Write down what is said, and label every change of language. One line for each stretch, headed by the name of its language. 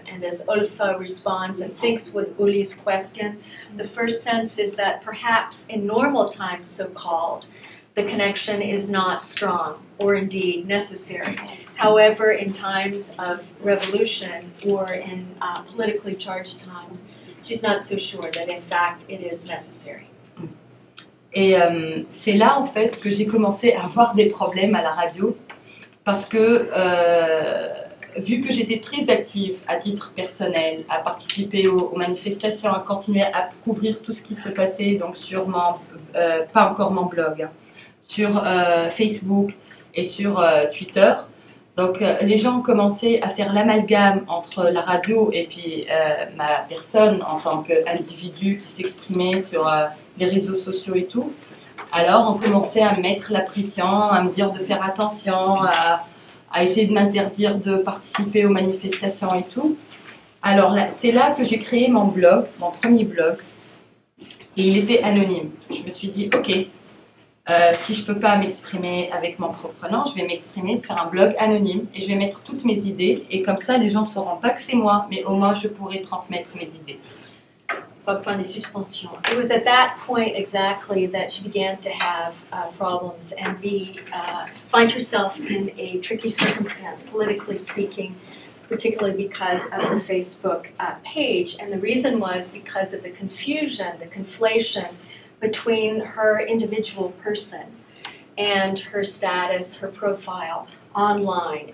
English: And as Olfa responds and thinks with Uli's question, the first sense is that perhaps in normal times, so-called, the connection is not strong or indeed necessary. However, in times of revolution or in politically charged times, she's not so sure that in fact it is necessary.
French: Et c'est là en fait que j'ai commencé à avoir des problèmes à la radio parce que vu que j'étais très active à titre personnel, à participer aux manifestations, à continuer à couvrir tout ce qui se passait, donc sûrement pas encore mon blog, sur Facebook et sur Twitter. Donc les gens commençaient à faire l'amalgame entre la radio et puis ma personne en tant qu'individu qui s'exprimait sur les réseaux sociaux et tout. Alors on commençait à mettre la pression, à me dire de faire attention, à essayer de m'interdire de participer aux manifestations et tout. Alors là, c'est là que j'ai créé mon blog, mon premier blog, et il était anonyme. Je me suis dit, ok, si je ne peux pas m'exprimer avec mon propre nom, je vais m'exprimer sur un blog anonyme et je vais mettre toutes mes idées. Et comme ça, les gens ne sauront pas que c'est moi, mais au moins, je pourrai transmettre mes idées. point de suspension.
English: It was at that point exactly that she began to have problems and be find herself in a tricky circumstance, politically speaking, particularly because of her Facebook page. And the reason was because of the confusion, the conflation between her individual person and her status, her profile online.